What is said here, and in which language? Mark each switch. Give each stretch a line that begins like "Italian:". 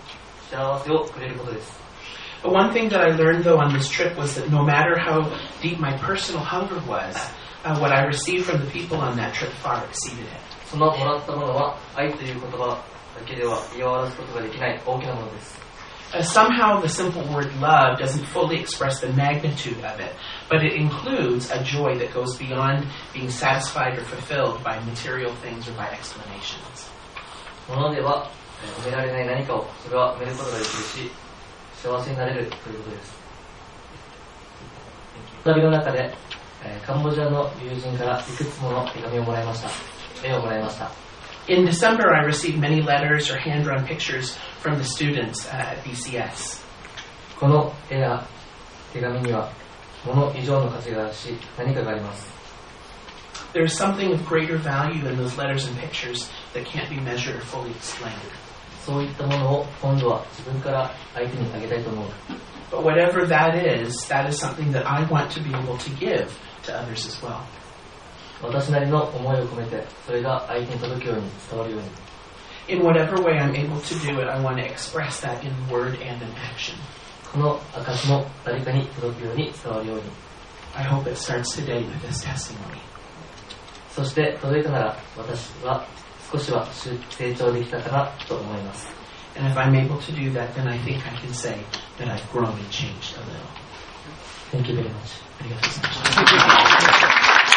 Japanese: こういった中で、私が今回の活動で経験して分かったことは、どれだけ飢えていても、私がこの旅でいろんな人からもらったものは、それを上回る幸せなく、幸せをくれることです。But
English: one thing that I learned though on this trip was that no matter how deep my personal hunger was, what I received from the people on that trip far exceeded it.
Japanese: そのもらったものは愛という言葉だけでは言い表すことができない大きなものです。
English: Somehow the simple word love doesn't fully express the magnitude of it, but it includes a joy that goes beyond being satisfied or fulfilled by material things or by explanations.
Japanese: ものでは埋められない何かをそれは埋めることができるし、幸せになれるということです。旅の中でカンボジアの友人からいくつもの手紙をもらいました。
English: In December, I received many letters or hand-drawn pictures from the students at BCS.
Japanese: この絵や手紙には物以上の価値があるし、何かがあります。
English: There is something of greater value in those letters and pictures that can't be measured or fully explained.
Japanese: そういったものを今度は自分から相手にあげたいと思う。
English: But whatever that is something that I want to be able to give to others as well.
Japanese: 私なりの思いを込めて、それが相手に届くように、伝わるように。
English: In whatever way I'm able to do it, I want to express that in word and in action.
Japanese: この証も誰かに届くように、伝わるように。
English: I hope it starts today with this testimony.
Japanese: そして届いたなら、私は少しは成長できたかなと思います。
English: And if I'm able to do that, then I think I can say that I've grown and changed a little. Thank you very much.
Japanese: ありがとうございました。